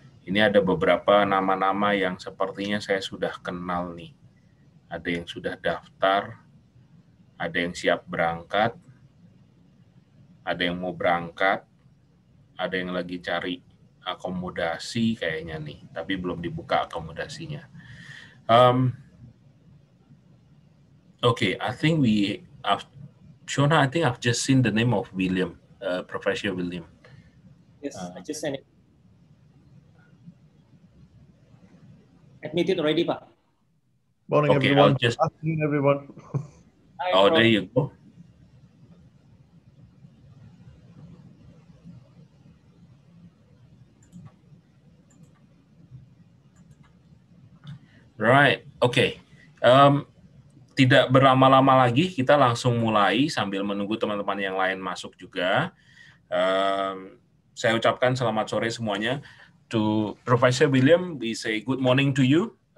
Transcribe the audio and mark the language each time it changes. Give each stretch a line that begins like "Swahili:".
Indonesian: Ini ada beberapa nama-nama yang sepertinya saya sudah kenal nih. Ada yang sudah daftar, ada yang siap berangkat, ada yang mau berangkat, ada yang lagi cari akomodasi kayaknya nih, tapi belum dibuka akomodasinya.
English: Okay, I think we have, Shona, I think I've just seen the name of William, Professor William. Yes, I just sent it. Admitted already, Pak. Morning, okay, everyone. Just... Afternoon, everyone. Hi, oh, Prof. There you go. Right, okay.
Indonesian: Tidak berlama-lama lagi, kita langsung mulai sambil menunggu teman-teman yang lain masuk juga. Saya ucapkan selamat sore semuanya.
English: To Professor William, we say good morning to you.